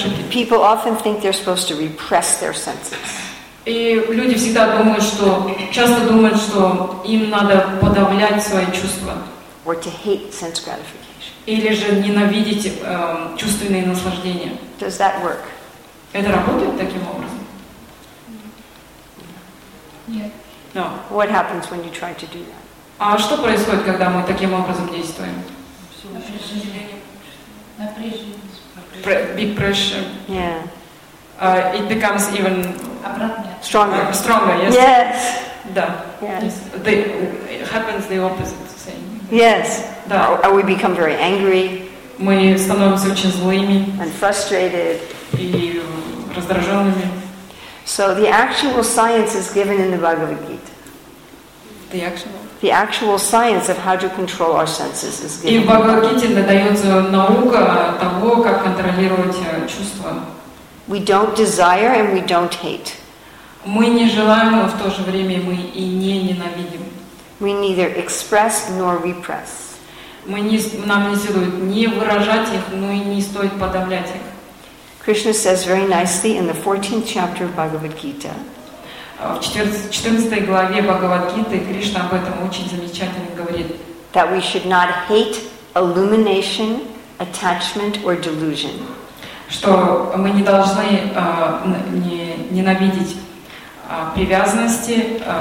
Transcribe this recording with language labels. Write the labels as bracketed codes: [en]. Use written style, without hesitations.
[en] People often think they're supposed to repress their senses. [ru] И люди всегда часто думают, что им надо подавлять свои чувства. [en] Or to hate sense gratification. [ru] Или же ненавидеть чувственные наслаждения. [en] Does that work? [ru] Это работает таким образом? Нет. [en] No. What happens when you try to do that? [ru] А что происходит, когда мы таким образом действуем? Напряжение. [en] Big pressure. Yeah. It becomes even stronger. Stronger, yes. Yes. [ru] Да. [en] Yes. It happens the opposite. Same. Yes. [ru] Да. [en] Or we become very angry. [ru] Мы становимся очень злыми. [en] And frustrated. [ru] И раздраженными. [en] So the actual science is given in the Bhagavad Gita. The actual science of how to control our senses is given. [ru] И в Бхагавад-гите дается наука того, как контролировать чувства. [en] We don't desire and we don't hate. [ru] Мы не желаем, но в то же время мы и не ненавидим. [en] We neither express nor repress. [ru] Нам не следует ни выражать их, но и не стоит подавлять их. [en] Krishna says very nicely in the 14th chapter of Bhagavad-гита. [ru] в 14 главе Бхагавад-гиты Кришна об этом очень замечательно говорит. [en] That we should not hate illumination, attachment or delusion. [ru] Что мы не должны ненавидеть привязанности,